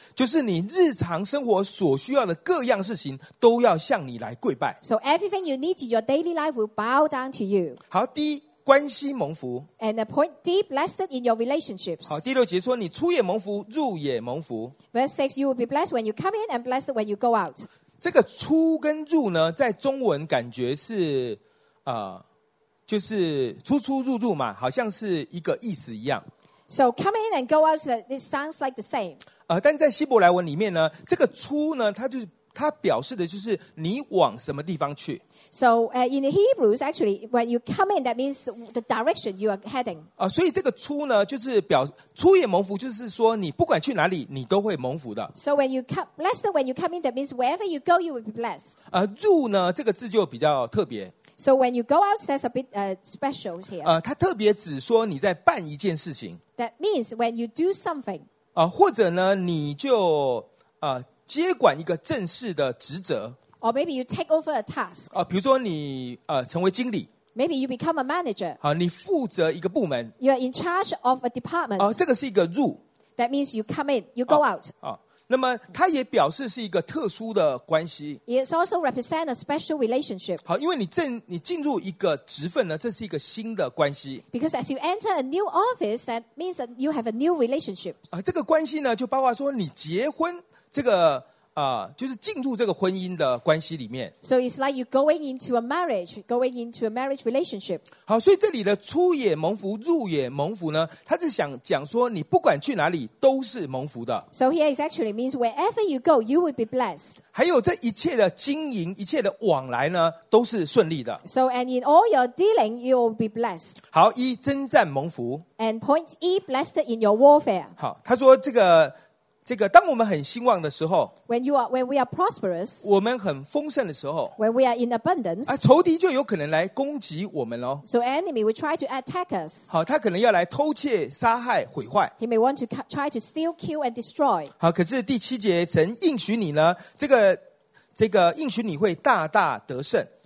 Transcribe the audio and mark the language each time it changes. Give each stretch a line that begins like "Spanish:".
Chinese: 就是你日常生活所需要的各样事情都要向你来跪拜。
English: So everything you need in your daily life will bow down to you.
Chinese: 好，第一。关系蒙福
English: and a point deep blessed in your relationships.
Chinese: 好，第六节说你出也蒙福，入也蒙福。
English: Verse 6, you will be blessed when you come in and blessed when you go out.
Chinese: 这个出跟入呢，在中文感觉是就是出出入入嘛，好像是一个意思一样。
English: So come in and go out, this sounds like the same.
Chinese: 但在希伯来文里面呢，这个出呢，它表示的就是你往什么地方去。
English: So in the Hebrews, actually, when you come in, that means the direction you are heading.
Chinese: 所以这个出呢，就是表出也蒙福，就是说你不管去哪里，你都会蒙福的。
English: So when you come, blessed when you come in, that means wherever you go, you will be blessed.
Chinese: 入呢，这个字就比较特别。
English: So when you go out, that's a bit special here.
Chinese: 它特别指说你在办一件事情。
English: That means when you do something.
Chinese: 或者呢，你就接管一个正式的职责。
English: Or maybe you take over a task.
Chinese: 比如说你成为经理。
English: Maybe you become a manager.
Chinese: 你负责一个部门。
English: You are in charge of a department.
Chinese: 这个是一个入。
English: That means you come in, you go out.
Chinese: 那么它也表示是一个特殊的关系。
English: It also represents a special relationship.
Chinese: 好，因为你进入一个职份呢，这是一个新的关系。
English: Because as you enter a new office, that means that you have a new relationship.
Chinese: 这个关系呢，就包括说你结婚这个。就是进入这个婚姻的关系里面。
English: So it's like you going into a marriage, going into a marriage relationship.
Chinese: 好，所以这里的出也蒙福，入也蒙福呢，他是想讲说你不管去哪里都是蒙福的。
English: So here it actually means wherever you go, you will be blessed.
Chinese: 还有这一切的经营，一切的往来呢，都是顺利的。
English: So and in all your dealing, you will be blessed.
Chinese: 好，一征战蒙福。
English: And point E, blessed in your warfare.
Chinese: 好，他说这个当我们很兴旺的时候
English: when we are prosperous,
Chinese: 我们很丰盛的时候
English: when we are in abundance,
Chinese: 仇敌就有可能来攻击我们咯。
English: So enemy will try to attack us.
Chinese: 好，他可能要来偷窃、杀害、毁坏。
English: He may want to try to steal, kill and destroy.
Chinese: 好，可是第七节神应许你呢，这个应许你会大大得胜。